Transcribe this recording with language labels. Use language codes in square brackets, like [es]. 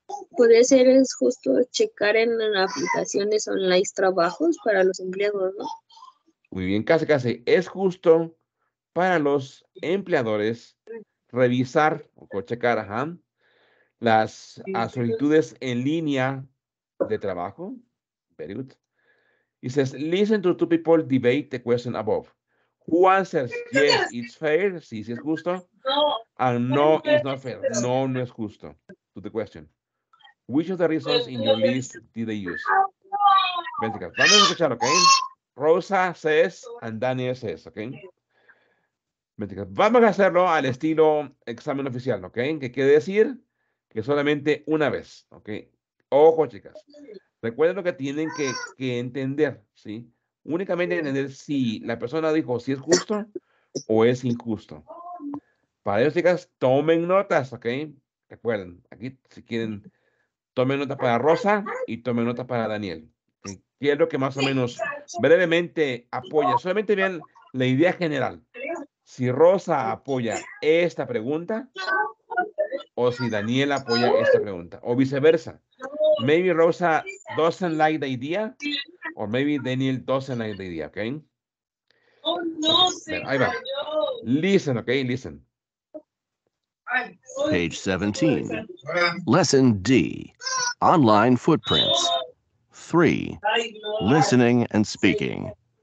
[es] Puede ser es justo checar en aplicaciones online trabajos para los empleados, ¿no? Muy bien, casi. Es justo para los empleadores revisar o checar, ajá, las solicitudes en línea de trabajo. [en] Very good. It says, listen to two people debate the question above. Who answers, yes, it's fair, [es] sí, es justo, [en] and no, it's not fair, [es] no es justo, [en] to the question. Which of the reasons in your list did they use? [es] Ven, chicas, vamos a escuchar, ¿ok? Rosa [en] says, and Daniel says, [es] ¿ok? Ven, chicas, vamos a hacerlo al estilo examen oficial, ¿ok? ¿Qué quiere decir? que solamente una vez, ¿ok? Ojo, chicas. Recuerden lo que tienen que entender, ¿sí? Únicamente entender si la persona dijo si es justo o es injusto. Para ello, chicas, tomen notas, ¿ok? Recuerden, aquí, si quieren, tomen nota para Rosa y tomen nota para Daniel. ¿Sí? ¿Qué es lo que más o menos brevemente apoya? Solamente vean la idea general. Si Rosa apoya esta pregunta o si Daniel apoya esta pregunta o viceversa. [en] Maybe Rosa doesn't like the idea or maybe Daniel doesn't like the idea, ¿ok? Oh, no, okay, [es] ahí va. [en] Listen, ¿ok? Listen. Page 17, Lesson D, Online Footprints, 3, Listening and Speaking.